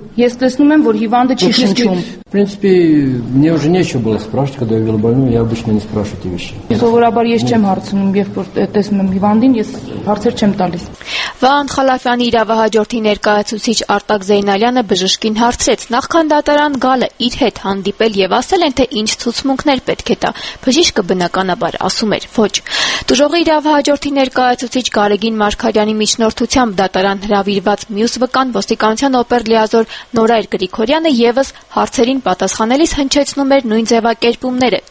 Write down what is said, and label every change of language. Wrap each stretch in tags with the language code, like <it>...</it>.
<hy>Ես տեսնում եմ, որ հիվանդը չի շնչում։</hy> <ru>В принципе, мне уже нечего было спрашивать, когда я видел больную, я обычно не спрашиваю эти вещи.</ru> <hy>Սովորաբար ես չեմ հարցնում, երբ որ տեսնում եմ հիվանդին, ես հարցեր չեմ տալիս։ Վահան Խալաֆյանի իրավահաջորդի ներկայացուցիչ Արտակ Զեյնալյանը բժշկին հարցրեց, նախքան դատարան գալը իր հետ հանդիպել եւ ասել են, թե ինչ ցուցմունքներ պետք է տա։ Բժիշկը բնականաբար ասում էր, ոչ։ Տուժողի իրավահաջորդի ներկայացուցիչ Գարեգին Մարկարյանի միջնորդությամբ դատարան հրավիրված մյուս վկան ոստիկանության օպերլիազոր Նորայր Գրիգորյանը եւս հարցերին պատասխանելիս հնչեցնում էր նույն ձևակերպումները.</hy>